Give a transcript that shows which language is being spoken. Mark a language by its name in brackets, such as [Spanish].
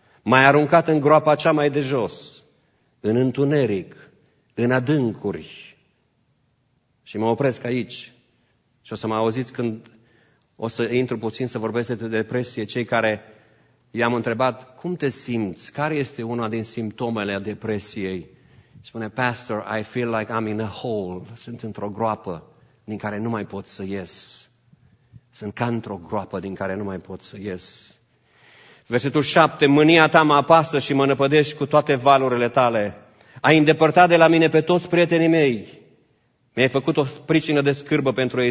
[Romanian] M-ai aruncat în groapa cea mai de jos, în întuneric, în adâncuri. Și mă opresc aici. Și o să mă auziți când o să intru puțin să vorbesc de depresie, cei care i-am întrebat, cum te simți? Care este una din simptomele a depresiei? [English] Spune, Pastor, I feel like I'm in a hole. [Romanian] Sunt într-o groapă din care nu mai pot să ies. Sunt ca într-o groapă din care nu mai pot să ies. Versetul 7, mânia ta mă apasă și mă năpădești cu toate valurile tale. Ai îndepărtat de la mine pe toți prietenii mei. Mi-ai făcut o pricină de scârbă pentru ei.